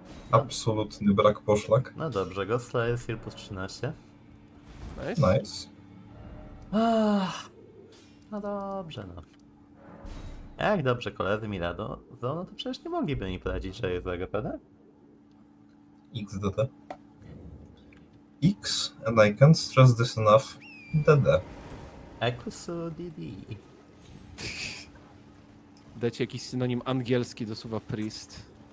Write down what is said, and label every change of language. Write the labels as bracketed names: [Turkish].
[Polish] Absolutny brak poszlak. No dobrze, Gosla jest heal plus 13. [English] Nice. Nice. [Polish] No dobrze, no. Jak dobrze koledzy mi radą, no to przecież nie mogliby mi poradzić, że jest złego, prawda? XDD. [English] X and I can't stress this enough. DD. Ekusu DD. [Polish] Dajcie jakiś synonim angielski do słowa priest.